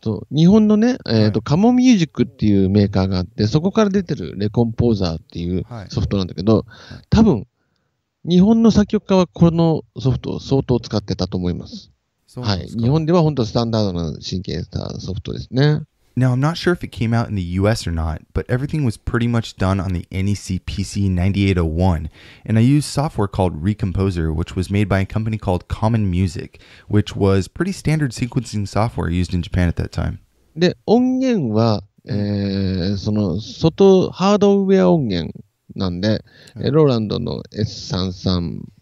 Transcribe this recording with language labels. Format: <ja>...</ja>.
<ja>日本のね、カモミュージックっていうメーカーがあってそこから出てるレコンポーザーっていうソフトなんだけど、はい、多分日本の作曲家はこのソフトを相当使ってたと思います、はい、日本では本当スタンダードなシンケーターソフトですね</ja> <en>Now I'm not sure if it came out in the US or not but everything was pretty much done on the NEC PC9801 and I used software called Recomposer which was made by a company called Common Music which was pretty standard sequencing software used in Japan at that time.</en> <ja>で、音源は、その外ハードウェア音源なんで、ローランドの S33、</ja>